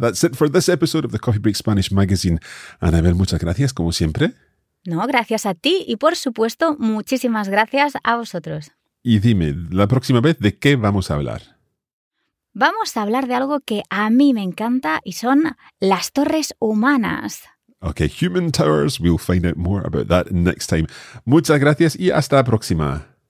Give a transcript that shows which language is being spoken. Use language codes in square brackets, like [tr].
[en] That's it for this episode of the Coffee Break Spanish Magazine. [es] Anabel, muchas gracias, como siempre. No, gracias a ti y, por supuesto, muchísimas gracias a vosotros. Y dime, la próxima vez, ¿de qué vamos a hablar? Vamos a hablar de algo que a mí me encanta y son las torres humanas. [en] Okay, human towers. We'll find out more about that next time. [es] Muchas gracias y hasta la próxima.